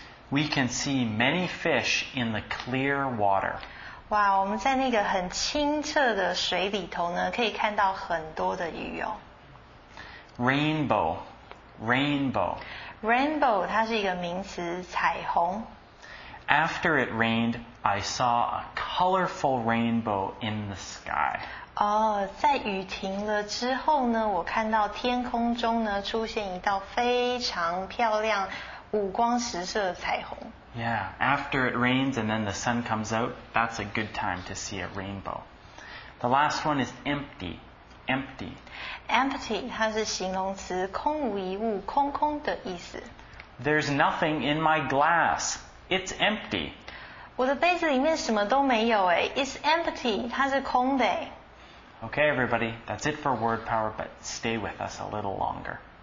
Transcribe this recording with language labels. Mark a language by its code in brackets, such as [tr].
[en] We can see many fish in the clear water. [zh] 哇，我们在那个很清澈的水里头呢，可以看到很多的鱼哦。 [en] Rainbow, rainbow. [zh] Rainbow, 它是一个名词，彩虹。 [en] After it rained, I saw a colorful rainbow in the sky. [zh] 在雨停了之后呢，我看到天空中呢出现一道非常漂亮、五光十色的彩虹。 [en] Yeah, after it rains and then the sun comes out, that's a good time to see a rainbow. The last one is empty, empty. [zh] Empty 它是形容词，空无一物，空空的意思。 [en] There's nothing in my glass. It's empty. [zh] 我的杯子里面什么都没有诶。 [en] It's empty. [zh] 它是空的。 [en] Okay, everybody. That's it for Word Power, but stay with us a little longer.